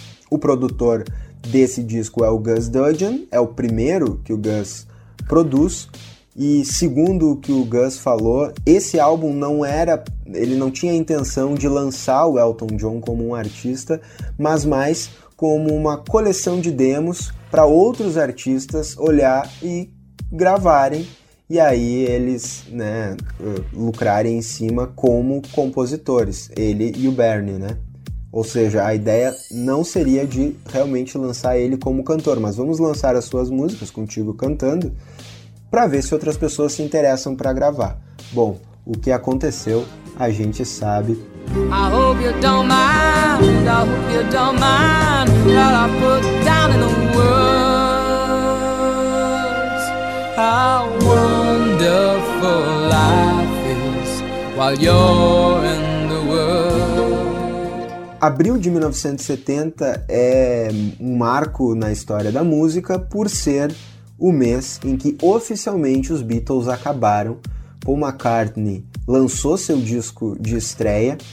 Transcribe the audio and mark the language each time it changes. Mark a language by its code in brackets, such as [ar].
[pt] O produtor desse disco é o Gus Dudgeon, é o primeiro que o Gus produz, e segundo o que o Gus falou, esse álbum ele não tinha a intenção de lançar o Elton John como um artista, mas mais como uma coleção de demos para outros artistas olhar e gravarem, e aí eles, né, lucrarem em cima como compositores, ele e o Bernie, né? Ou seja, a ideia não seria de realmente lançar ele como cantor, mas vamos lançar as suas músicas contigo cantando para ver se outras pessoas se interessam para gravar. Bom, o que aconteceu, a gente sabe. [en] I hope you don't mind, I hope you don't mind what I put down in the words. How wonderful life is while you're in the world. [pt] Abril de 1970 é um marco na história da música por ser o mês em que oficialmente os Beatles acabaram. Paul McCartney lançou seu disco de estreia.